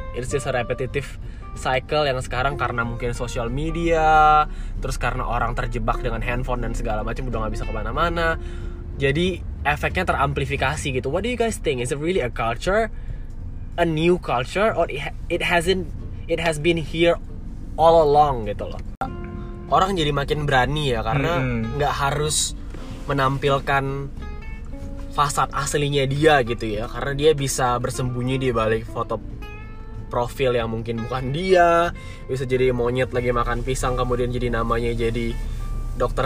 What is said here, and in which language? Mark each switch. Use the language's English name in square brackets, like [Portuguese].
[English] It's just a repetitive cycle [Indonesian] yang sekarang karena mungkin social media, terus karena orang terjebak dengan handphone dan segala macam udah gak bisa kemana-mana, jadi efeknya teramplifikasi gitu. [English] What do you guys think? Is it really a culture? A new culture? Or it has been here all along [Indonesian] gitu loh. Orang jadi makin berani ya karena nggak harus menampilkan fasad aslinya dia gitu ya, karena dia bisa bersembunyi di balik foto profil yang mungkin bukan dia, bisa jadi monyet lagi makan pisang kemudian jadi namanya jadi Dr.